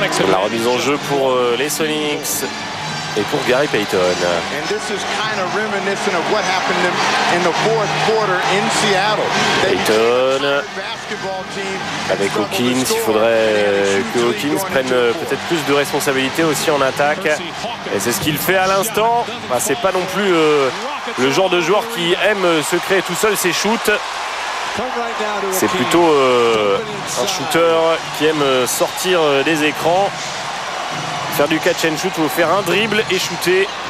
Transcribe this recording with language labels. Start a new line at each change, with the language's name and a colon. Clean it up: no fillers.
French: La remise en jeu pour les Sonics. et pour Gary Payton.
English: And this is kind of reminiscent of what happened in the fourth quarter in Seattle.
French: Payton avec Hawkins. Il faudrait que Hawkins prenne peut-être plus de responsabilités aussi en attaque, et c'est ce qu'il fait à l'instant. Bah, c'est pas non plus le genre de joueur qui aime se créer tout seul ses shoots. C'est plutôt un shooter qui aime sortir des écrans, faire du catch and shoot ou faire un dribble et shooter.